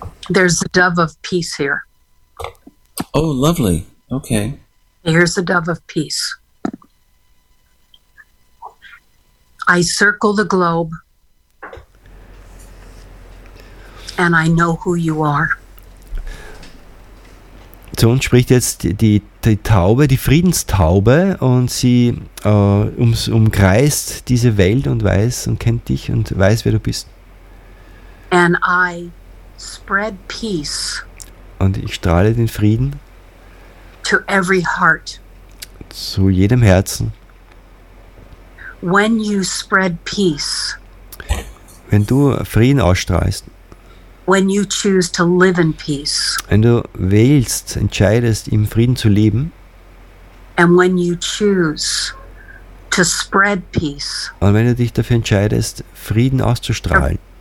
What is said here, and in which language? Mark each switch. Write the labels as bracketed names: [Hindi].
[English] There's a dove of peace here. Oh, lovely. Okay. Here's the dove of peace. I circle the globe and I know who you are. [German] Zu uns spricht jetzt die Taube, die Friedenstaube, und sie umkreist diese Welt und weiß und kennt dich und weiß, wer du bist. [English] And I spread peace. [German] Und ich strahle den Frieden [English] to every heart. [German] Zu jedem Herzen. [English] When you spread peace, [German] wenn du Frieden ausstrahlst, [English] when you choose to live in peace, [German] wenn du wählst, entscheidest, im Frieden zu leben, [English] and when you choose to spread peace, [German] und wenn du dich dafür entscheidest, Frieden auszustrahlen,